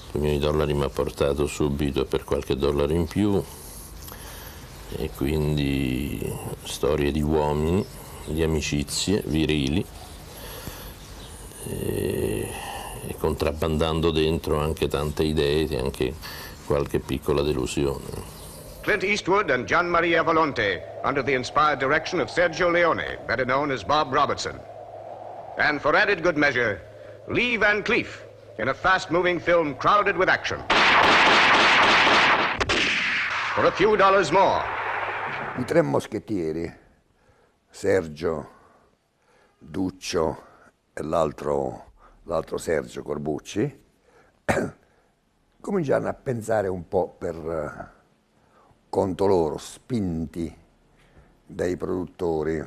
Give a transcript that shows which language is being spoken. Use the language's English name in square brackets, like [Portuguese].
[Italian] I miei dollari mi ha portato subito per qualche dollaro in più e quindi storie di uomini, di amicizie virili e contrabbandando dentro anche tante idee e anche qualche piccola delusione. [English] Clint Eastwood and Gian Maria Volonté under the inspired direction of Sergio Leone, better known as Bob Robertson. And for added good measure, Lee Van Cleef in a fast-moving film crowded with action. For a few dollars more. [Italian] I tre moschettieri, Sergio, Duccio e l'altro Sergio Corbucci, cominciarono a pensare un po' per conto loro, spinti dai produttori.